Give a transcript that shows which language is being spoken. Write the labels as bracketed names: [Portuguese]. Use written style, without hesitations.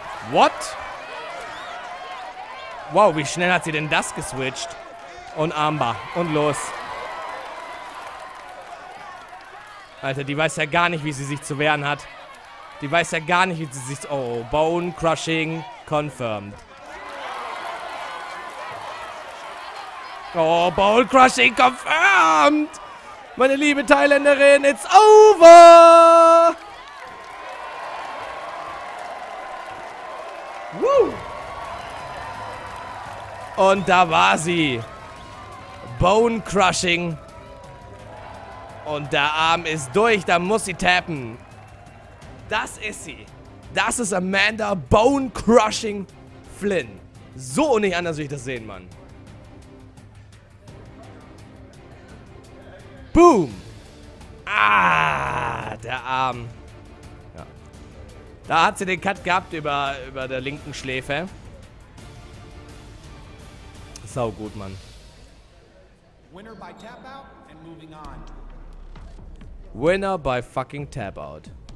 [English] What? [German] Wow, wie schnell hat sie denn das geswitcht? Und Armbar. Und los. Alter, die weiß ja gar nicht, wie sie sich zu wehren hat. Die weiß ja gar nicht, wie sie sich... [English] Oh, Bone Crushing confirmed. Oh, Bone Crushing confirmed. [German] Meine liebe Thailänderin, [English] it's over. Woo. [German] Und da war sie. Bone Crushing. Und der Arm ist durch, da muss sie tappen. Das ist sie. Das ist Amanda Bone Crushing Flynn. So nicht anders würde ich das sehen, Mann. Boom. Ah, der Arm. Ja. Da hat sie den Cut gehabt über der linken Schläfe. Sau gut, Mann. [English] Winner by tap out and moving on. Winner by fucking tap out.